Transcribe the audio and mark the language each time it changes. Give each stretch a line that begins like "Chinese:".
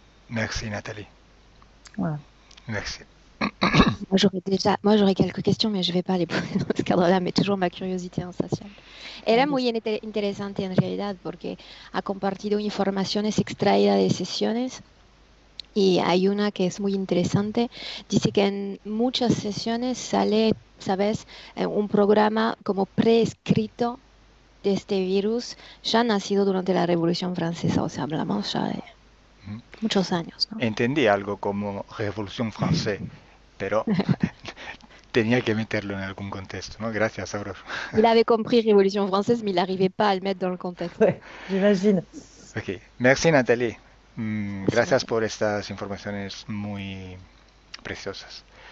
French: Merci Nathalie. Voilà. Merci. Moi, j'aurais quelques questions, mais je ne vais pas les poser dans ce cadre-là, mais toujours ma curiosité insatiable. Elle est
Spanish: muy
French: intéressante en réalité, parce qu'elle a
Spanish: compartido informaciones extraídas de sesiones. Y hay una que es muy interesante. Dice que en muchas sesiones sale, ¿sabes?, un programa como preescrito de este virus ya nacido durante la Revolución Francesa. O sea, hablamos ya de muchos años, Entendí algo como Revolución Francesa, pero ¿no? tenía que meterlo en algún contexto, ¿no? Gracias, Aurore.
French: Il avait compris Révolution Française, mais il n'arrivait pas à le mettre dans le contexte. Ouais, j'imagine. Okay. Merci, Nathalie. Merci,
Spanish: Gracias Mathieu. por estas informaciones muy preciosas.